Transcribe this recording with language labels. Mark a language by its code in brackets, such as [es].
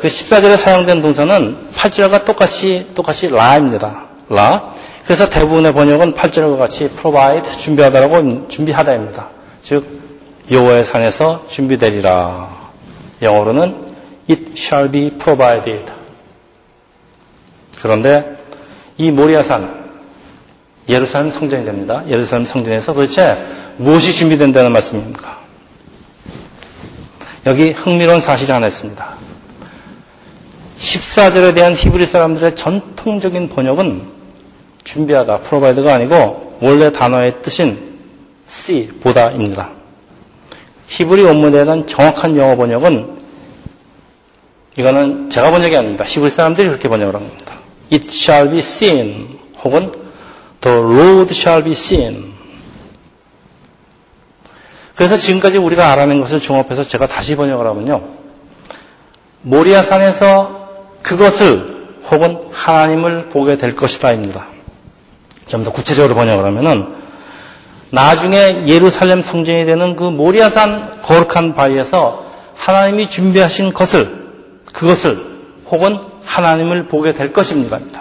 [ko] 14절에 사용된 동사는 8절과 똑같이 라입니다. 라. 그래서 대부분의 번역은 8절과 같이 provide, 준비하다라고 준비하다입니다. 즉, 여호와의 산에서 준비되리라. 영어로는 [en] it shall be provided. [ko] 그런데 이 모리아산, 예루살렘 성전이 됩니다. 예루살렘 성전에서 도대체 무엇이 준비된다는 말씀입니까? 여기 흥미로운 사실이 하나 있습니다. 14절에 대한 히브리 사람들의 전통적인 번역은 준비하다, 프로바이드가 아니고 원래 단어의 뜻인 see, 보다입니다. 히브리 원문에 대한 정확한 영어 번역은 이거는 제가 번역이 아닙니다. 히브리 사람들이 그렇게 번역을 합니다. [en] It shall be seen [ko] 혹은 [en] The Lord shall be seen. [ko] 그래서 지금까지 우리가 알아낸 것을 종합해서 제가 다시 번역을 하면요. 모리아산에서 그것을 혹은 하나님을 보게 될 것이다입니다. 좀 더 구체적으로 번역을 하면은 나중에 예루살렘 성전이 되는 그 모리아산 거룩한 바위에서 하나님이 준비하신 것을 그것을 혹은 하나님을 보게 될 것입니다.